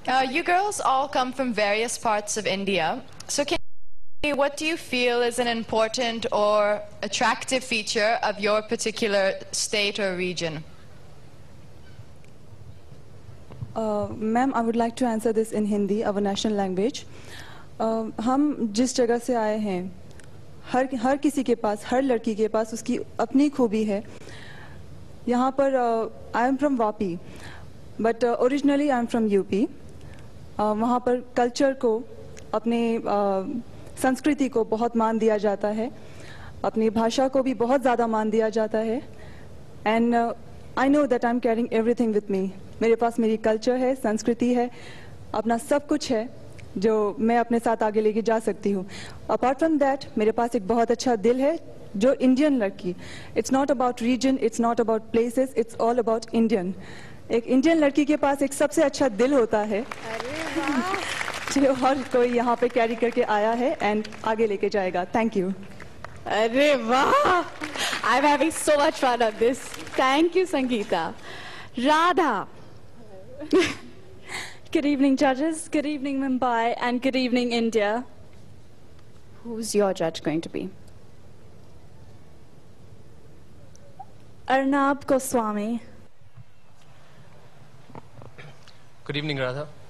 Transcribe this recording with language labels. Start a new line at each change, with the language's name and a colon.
English: You girls all come from various parts of India. So can you tell me what do you feel is an important or attractive feature of your particular state or region? Ma'am, I would like to answer this in Hindi, our national language.
Hindi: हम जिस जगह से आए हैं हर हर किसी के पास हर लड़की के पास उसकी अपनी खूबी है यहाँ पर
English: I am from Vapi but originally I am from UP
Hindi: वहाँ पर कल्चर को अपने संस्कृति को बहुत मान दिया जाता है अपनी भाषा को भी बहुत ज़्यादा मान दिया जाता है
English: and I know that I am carrying everything with me
Hindi: मेरे पास मेरी कल्चर है संस्कृति है अपना सब कुछ है जो मैं अपने साथ आगे लेके जा सकती हूँ
English: apart from that
Hindi: मेरे पास एक बहुत अच्छा दिल है जो इंडियन लड़की
English: it's not about reason it's not about places it's all about Indian
Hindi: एक इंडियन लड़की के पास एक सबसे अच्छा दिल होता है अरे वाह जो हर कोई यहाँ पे कैरी करके आया है एंड आगे लेके जाएगा
English: thank you
Hindi: अरे वाह
English: I am having so much fun on this thank you Sangeeta Radha Good evening, judges. Good evening, Mumbai, and good evening, India. Who's your judge going to be? Arnab Goswami. Good evening, Radha.